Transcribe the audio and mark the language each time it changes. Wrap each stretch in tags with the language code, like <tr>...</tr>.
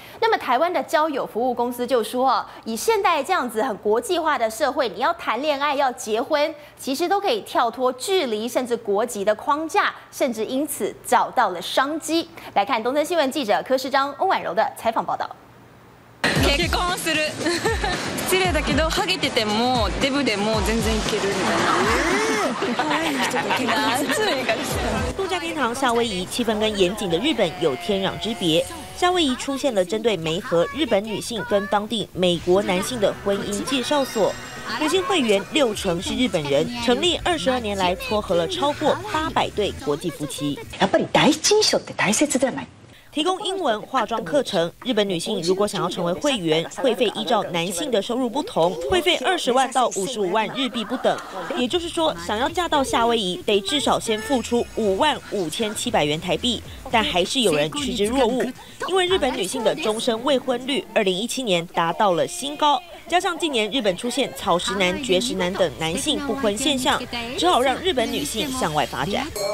<zh>那么台湾的交友服务公司就说，以现代这样子很国际化的社会，你要谈恋爱要结婚，其实都可以跳脱距离甚至国籍的框架，甚至因此找到了商机。来看东森新闻记者柯世章、欧婉柔的采访报道。</zh> <ja>結婚する。失礼だけど、ハゲててもデブでも全然いけるみたいな。</ja> <zh>度假天堂夏威夷气氛跟严谨的日本有天壤之别。夏威夷出现了针对媒合日本女性跟当地美国男性的婚姻介绍所。女性会员60%是日本人，成立22年来撮合了超过800对国际夫妻。</zh> <ja>やっぱり第一印象って大切だね。</ja> <zh>提供英文化妆课程，日本女性如果想要成为会员，会费依照男性的收入不同，会费20万到55万日币不等。也就是说，想要嫁到夏威夷，得至少先付出55,700元台币。但还是有人趋之若鹜，因为日本女性的终身未婚率2017年达到了新高，加上近年日本出现草食男、绝食男等男性不婚现象，只好让日本女性向外发展。</zh>